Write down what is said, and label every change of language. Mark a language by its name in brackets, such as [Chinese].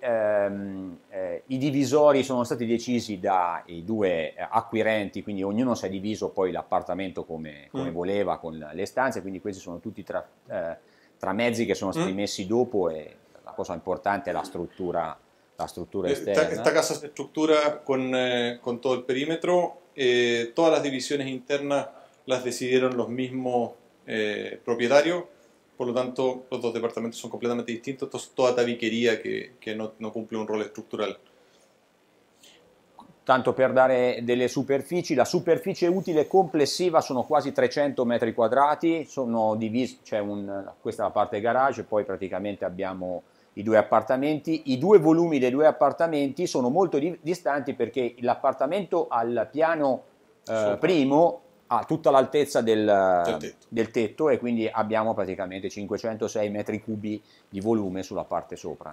[Italian] I divisori sono stati decisi dai due acquirenti, quindi ognuno si è diviso poi l'appartamento come voleva, con le stanze. Quindi questi sono tutti tramezzi che sono stati messi dopo, e la cosa importante è la struttura. La struttura esterna. [Spanish] Esta casa se estructura con todo el perímetro. Todas las divisiones internas las decidieron los mismos propietarios. Por lo tanto, los dos departamentos son completamente distintos. Esto es toda tabiquería que no cumple un rol estructural. [Italian] Tanto per dare delle superfici, la superficie utile complessiva sono quasi 300 metri quadrati. Sono divisi, c'è questa è la parte garage, poi praticamente abbiamo i due appartamenti. I due volumi dei due appartamenti sono molto distanti, perché l'appartamento al piano primo ha tutta l'altezza del tetto, e quindi abbiamo praticamente 506 metri cubi di volume sulla parte sopra.